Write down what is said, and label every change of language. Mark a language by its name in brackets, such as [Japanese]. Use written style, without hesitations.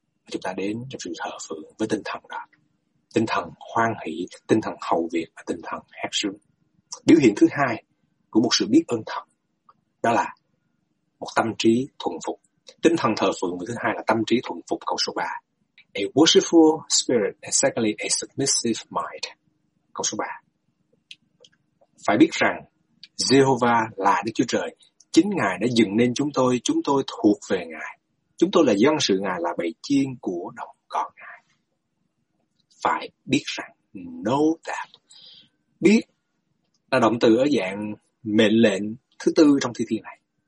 [Vietnamese] Chúng ta đến trong sự thờ phượng với tinh thần đó. Tinh thần hoan hỷ, tinh thần hầu việc và tinh thần hát sướng. Biểu hiện thứ hai của một sự biết ơn thật. Đó là một tâm trí thuần phục. Tinh thần thờ phượng thứ hai là tâm trí thuần phục, câu số 3. [English] A worshipful spirit and secondly a submissive mind. [Vietnamese] Câu số 3. Phải biết rằng Jehovah là Đức Chúa Trời. Chính Ngài đã dựng nên chúng tôi thuộc về Ngài. Chúng tôi là dân sự Ngài, là bầy chiên của đồng con Ngài. Phải biết rằng, [English] know that. [Vietnamese] Biết là động từ ở dạng mệnh lệnh thứ tư trong thi thiên này.